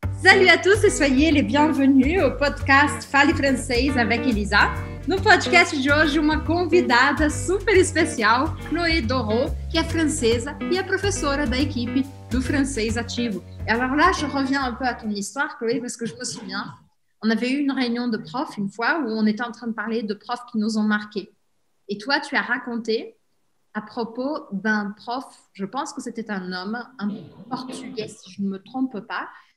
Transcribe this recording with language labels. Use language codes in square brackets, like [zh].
[fr] Salut à tous et soyez les bienvenus au podcast Fale Francês avec Elisa. [pt] No podcast de hoje, uma convidada super especial, Chloé Doro, que é francesa e é professora da equipe do Francês Ativo. [fr] Et alors là, je reviens un peu à ton histoire, Chloé, parce que je me souviens, on avait eu une réunion de profs une fois où on était en train de parler de profs qui nous ont marqués. Et toi, tu as raconté à propos d'un prof, je pense que c'était un homme, un portugais, si je ne me trompe pas.